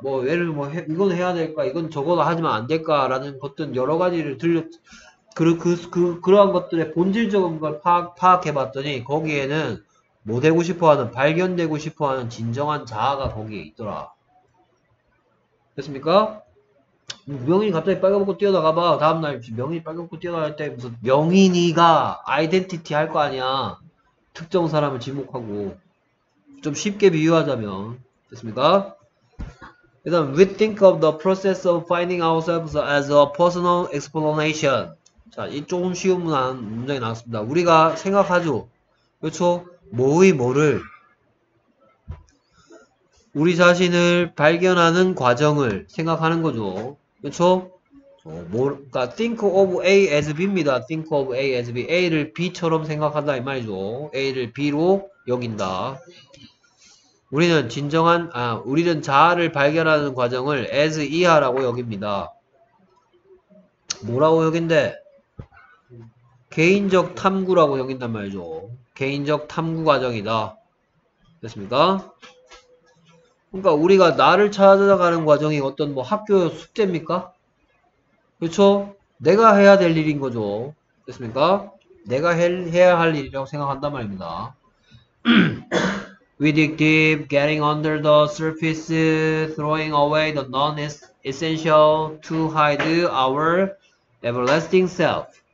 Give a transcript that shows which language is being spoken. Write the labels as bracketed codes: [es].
[ko] 뭐 예를 들어 뭐 이건 해야 될까? 이건 저거 하지만 안 될까라는 것들 여러 가지를 들려 그러한 것들의 본질적인 걸 파악해봤더니 거기에는 뭐 되고 싶어하는 발견되고 싶어하는 진정한 자아가 거기에 있더라. 됐습니까? 명인이 갑자기 빨개벗고 뛰어나가봐. 다음날 명인이 빨개벗고 뛰어나갈 때 무슨 명인이가 아이덴티티 할거 아니야? 특정 사람을 지목하고. 좀 쉽게 비유하자면, 됐습니까? 그 다음, [en] we think of the process of finding ourselves as a personal explanation. [ko] 자, 이 조금 쉬운 문장이 나왔습니다. 우리가 생각하죠. 그렇죠? 뭐의 뭐를. 우리 자신을 발견하는 과정을 생각하는 거죠. 그렇죠? 그러니까 [en] think of A as B [ko] 입니다. [en] think of A as B. [ko] A를 B처럼 생각한다, 이 말이죠. A를 B로 여긴다. 우리는 자아를 발견하는 과정을 as 이하라고 여깁니다. 뭐라고 여긴대? 개인적 탐구라고 여긴단 말이죠. 개인적 탐구 과정이다. 됐습니까? 그러니까 우리가 나를 찾아가는 과정이 어떤 뭐 학교 숙제입니까? 그렇죠? 내가 해야 될 일인 거죠. 됐습니까? 내가 해야 할 일이라고 생각한단 말입니다. [en] We dig deep, getting under the surface, throwing away the non-essential to hide our everlasting self.